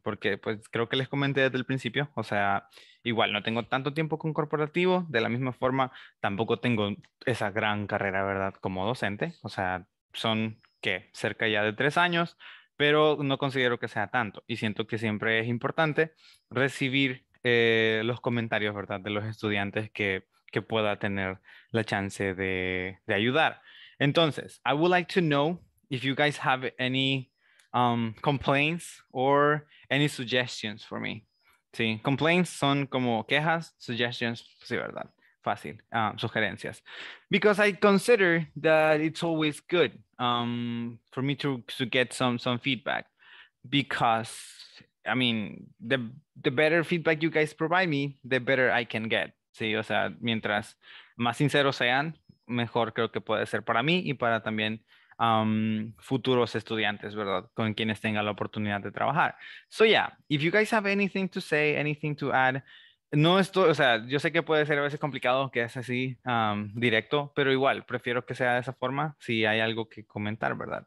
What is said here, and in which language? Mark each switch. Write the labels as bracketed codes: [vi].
[es] Porque pues creo que les comenté desde el principio, o sea, igual no tengo tanto tiempo con corporativo, de la misma forma tampoco tengo esa gran carrera, ¿verdad?, como docente, o sea, son, ¿qué?, cerca ya de 3 años, pero no considero que sea tanto y siento que siempre es importante recibir los comentarios, ¿verdad?, de los estudiantes que pueda tener la chance de ayudar. [en] Entonces, I would like to know if you guys have any complaints or any suggestions for me. [es] Sí, complaints son como quejas, suggestions, sí, ¿verdad? Fácil, sugerencias. [en] Because I consider that it's always good for me to get some feedback. Because, I mean, the better feedback you guys provide me, the better I can get. [es] Sí, o sea, mientras más sinceros sean, mejor creo que puede ser para mí y para también futuros estudiantes, ¿verdad? Con quienes tenga la oportunidad de trabajar. [en] So yeah, if you guys have anything to say, anything to add, [es] no estoy, o sea, yo sé que puede ser a veces complicado que es así directo, pero igual, prefiero que sea de esa forma si hay algo que comentar, ¿verdad?